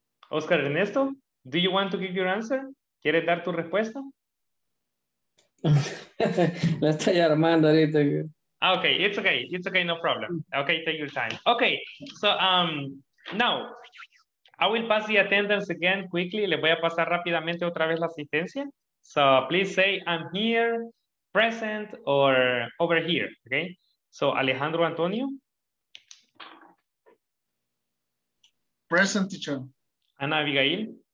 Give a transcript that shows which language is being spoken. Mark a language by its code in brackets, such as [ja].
[en] Oscar Ernesto, do you want to give your answer? [es] ¿Quieres dar tu respuesta? La estoy armando ahorita. [en] Okay, it's okay. It's okay, no problem. Okay, take your time. Okay, so now I will pass the attendance again quickly. [es] Le voy a pasar rápidamente otra vez la asistencia. [en] So please say I'm here, present, or over here. Okay, so Alejandro Antonio. Present, teacher. Ana Abigail.